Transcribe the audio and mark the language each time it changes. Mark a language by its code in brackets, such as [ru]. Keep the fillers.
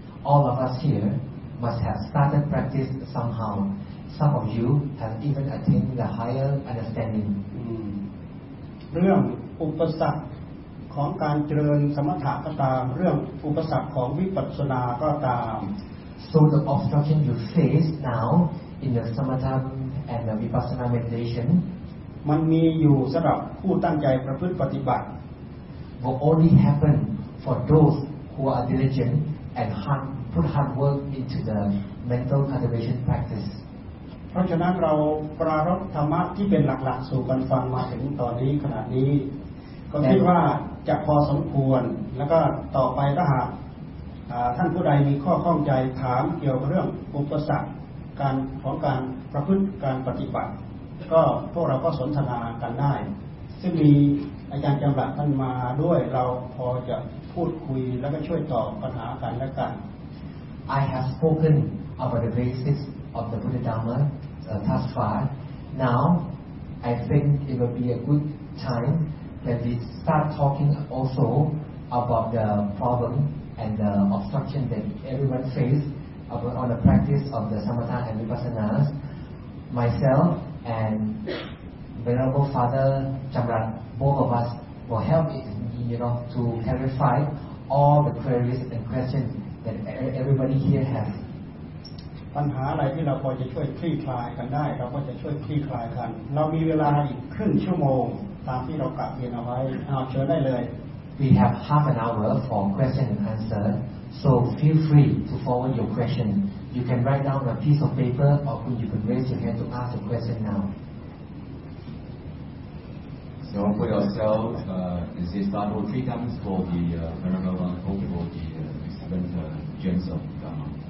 [en] All of us here must have started practice somehow. Some of you have even attained the higher understanding. [th] อืมเรื่องอุปสรรคของการเจริญสมถะก็ตาม เรื่องอุปสรรคของวิปัสสนาก็ตาม [en] So the obstruction you face now in the samatha and the vipassana meditation [th] มันมีอยู่สำหรับผู้ตั้งใจประพฤติปฏิบัติ [en] will only happen for those who are diligent and hard, put hard work into the mental cultivation practice. [th] เพราะฉะนั้นเราปรารบธรรมะที่เป็นหลักๆ สู่กันฟังมาถึงตอนนี้ขนาดนี้ ก็คิดว่าจะพอสมควร แล้วก็ต่อไปถ้าหากอ่าท่านผู้ใดมีข้อข้องใจถามเกี่ยวกับเรื่องอุปสรรคการของการประพฤติการปฏิบัติ ก็พวกเราก็สนทนากันได้ ซึ่งมีอาจารย์จำรัดท่านมาด้วยเราพอจะพูดคุยแล้วก็ช่วยตอบปัญหากันและกัน [en] I have spoken about the basics of the Buddha Dharma uh, thus far. Now, I think it will be a good time when we start talking also about the problem and the obstruction that everyone faces about- on the practice of the Samatha and Vipassana. Myself and Venerable Father Chamran, both of us will help it, you know, to clarify all the queries and questions that e- everybody here has. [th] ปัญหาอะไรที่เราพอจะช่วยคลี่คลายกันได้ เราก็จะช่วยคลี่คลายกัน เรามีเวลาอีกครึ่งชั่วโมง ตามที่เรากะเรียนเอาไว้เอาเชิญได้เลย [en] We have half an hour for question and answer, so feel free to forward your question. You can write down on a piece of paper or you can raise your hand to ask a question now. So for yourself, uh, this is Bible three times for the uh, Venerable One, hope for the uh, servant uh, James of Ghana.